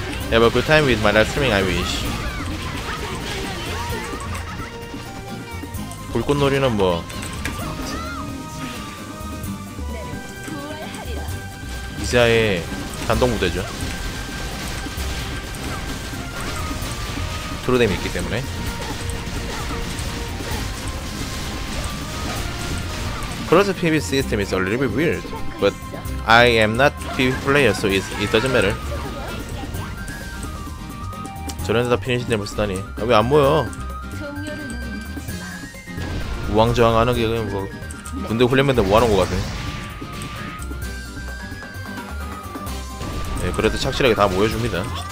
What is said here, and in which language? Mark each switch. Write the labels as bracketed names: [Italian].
[English] Have a good time with my live streaming, I wish. [Korean] 불꽃놀이는 뭐 이사의 단독 무대죠. 트로뎀이 있기 때문에. 크로스 PV 시스템 [English] is a little bit weird, but I am not PvP player, so it doesn't matter. [Korean] 저런 데다 피니신 데 쓰다니. 아, 왜 안 모여? 우왕좌왕 하는 게 그냥 뭐 군대 훈련맨들 뭐 하는 거 같아. 네, 그래도 착실하게 다 모여줍니다.